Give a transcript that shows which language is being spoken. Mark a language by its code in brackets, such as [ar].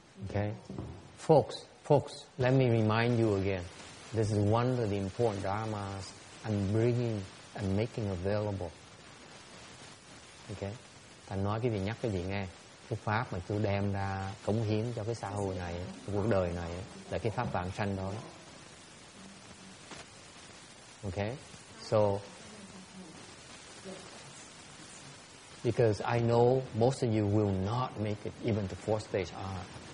[en] Okay. Folks, let me remind you again. This is one of the important dharmas I'm bringing and making available. Okay. [vi] Ta nói cái gì nhắc cái gì nghe. Cái pháp mà chú đem ra cống hiến cho cái xã hội này, cái cuộc đời này là cái pháp vạn sanh đó. [en] Okay. So because I know most of you will not make it even to 4th stage art.